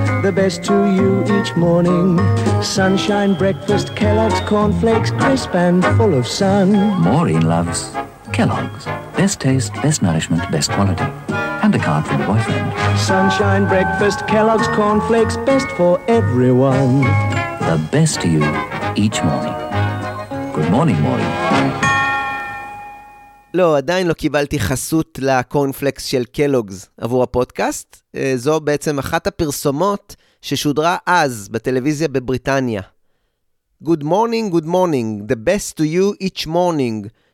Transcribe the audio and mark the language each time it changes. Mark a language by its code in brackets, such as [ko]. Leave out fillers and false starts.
[en] The best to you each morning. Sunshine breakfast, Kellogg's cornflakes, crisp and full of sun. Maureen loves Kellogg's. Best taste, best nourishment, best quality. And a card from the boyfriend. Sunshine breakfast, Kellogg's cornflakes, best for everyone. The best to you each morning. Good morning, Maureen. [he] לא, עדיין לא קיבלתי חסות לקורנפלקס של קלוגס עבור הפודקאסט. זו בעצם אחת הפרסומות ששודרה אז בטלוויזיה בבריטניה. [en] Good morning, good morning. The best to you each morning.